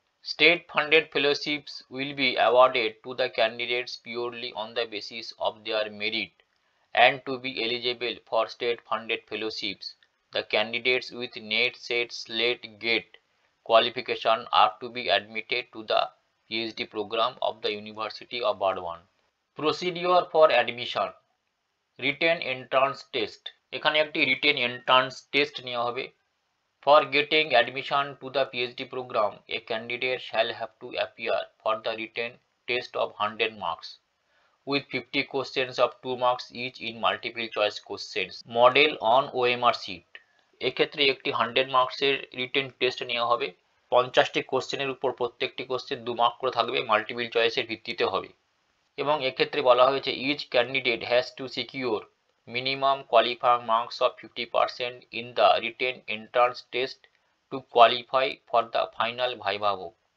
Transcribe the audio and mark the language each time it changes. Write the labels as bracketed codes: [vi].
[en] State funded fellowships will be awarded to the candidates purely on the basis of their merit and to be eligible for state funded fellowships the candidates with NET SET SLET GATE qualification are to be admitted to the PhD program of the University of Burdwan. Procedure for admission. Written entrance test. [bn] এখানে একটি [en] written entrance test [bn] নেওয়া হবে. [en] For getting admission to the PhD program, a candidate shall have to appear for the written test of 100 marks with 50 questions of 2 marks each in multiple choice questions. Model on OMR sheet. [bn] এক্ষেত্রে একটি 100 মার্কসের written test নেওয়া হবে। 50টি কোশ্চেনের উপর প্রত্যেকটি question 2 mark করে থাকবে, মাল্টিপল চয়েসের ভিত্তিতে হবে। এবং এক্ষেত্রে বলা হয়েছে [en] Each candidate has to secure minimum qualifying marks of 50% in the written entrance test to qualify for the final ভাইভাবক।